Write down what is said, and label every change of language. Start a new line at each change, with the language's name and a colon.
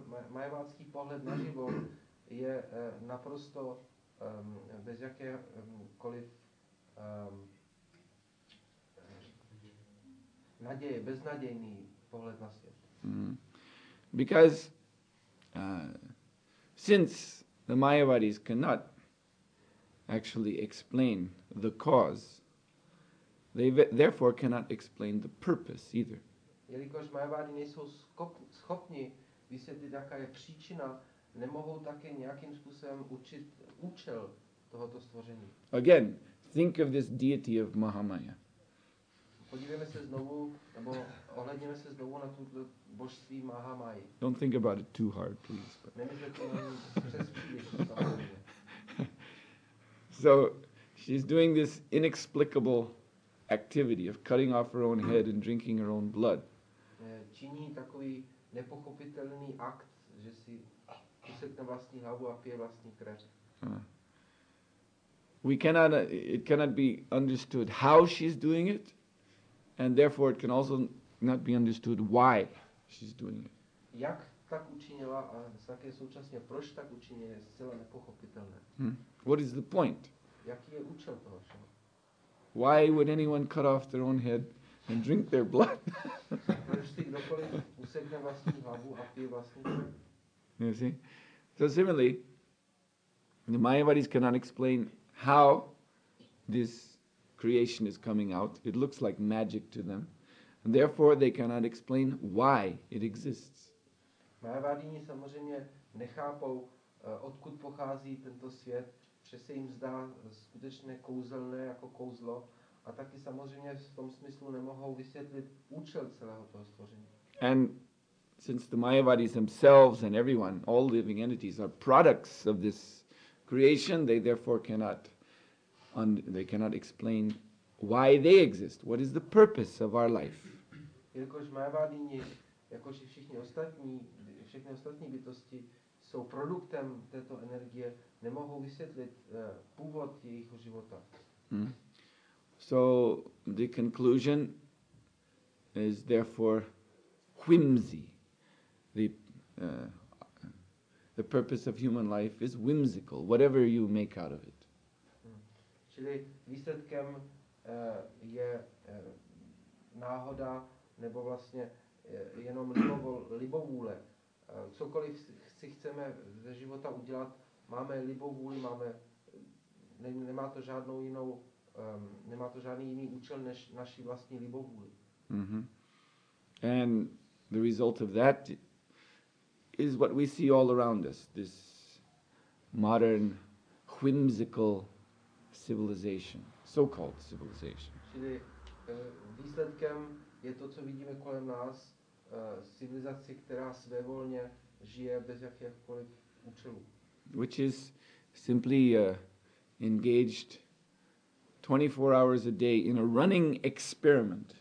Czech: Mayavádský pohled na život je naprosto bez jakékoliv naděje, beznadějný pohled na svět.
English: Because since the Mayavadis cannot actually explain the cause, they therefore cannot explain the purpose either.
Czech: Jelikož Mayavadi nejsou schopni vysvětlit, jaká je příčina, nemohou také nějakým způsobem určit účel tohoto stvoření.
English: Again, think of this deity of Mahamaya.
Czech: Podívejme se znovu, nebo ohledněme se znovu na tuto božství Mahamaya.
English: Don't think about it too hard, please. So, she's doing this inexplicable activity of cutting off her own head and drinking her own blood.
Czech: Činí takový nepochopitelný akt, že si usekne vlastní hlavu a pije vlastní krev.
English: We cannot, it cannot be understood how she's doing it, and therefore it can also not be understood why she's doing it.
Czech: Jak tak učinila a také současně proč tak učinila je zcela nepochopitelné.
English: What is the point?
Czech: Jaký je účel toho všeho?
English: Why would anyone cut off their own head and drink their blood?
Czech: Proč si kdokoliv usekne vlastní hlavu a pije vlastní krev?
English: You see? So similarly, the Mayavadis cannot explain how this creation is coming out. It looks like magic to them. And therefore, they cannot explain why it exists.
Czech: Mayavadíni samozřejmě nechápou, odkud pochází tento svět, že se jim zdá skutečně kouzelné jako kouzlo, a taky samozřejmě v tom smyslu nemohou vysvětlit účel celého toho stvoření.
English: And since the Mayavadis themselves and everyone, all living entities, are products of this creation, they therefore cannot they cannot explain why they exist. What is the purpose of our life?
Czech: Jelikož Mayavadíni, jakož i všechny ostatní bytosti, jsou produktem této energie, nemohou vysvětlit původ jejich života.
English: So the conclusion is therefore whimsy. The purpose of human life is whimsical, whatever you make out of it.
Czech: Čili výsledkem je náhoda nebo vlastně jenom libovůle. Cokoliv si chceme ze života udělat, máme libovůli, nemá to žádnou jinou, nemá to žádný jiný účel než naši vlastní libovůli.
English: And the result of that is what we see all around us, this modern whimsical civilization, so-called civilization.
Czech: Čili výsledkem je to, co vidíme kolem nás, civilizaci, která svévolně žije bez jakýchkoliv účelů.
English: Which is simply engaged 24 hours a day in a running experiment.